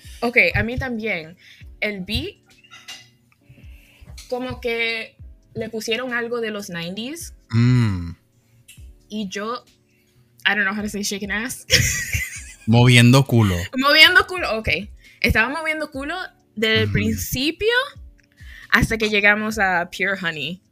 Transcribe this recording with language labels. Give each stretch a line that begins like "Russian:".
Spanish: Ok, a mí también. El beat, como que le pusieron algo de los 90s. Mm. Y yo,
English: I don't know how to say shaking ass.
Spanish: Moviendo culo. Moviendo culo, okay. Estaba moviendo culo desde el principio hasta que llegamos a Pure Honey.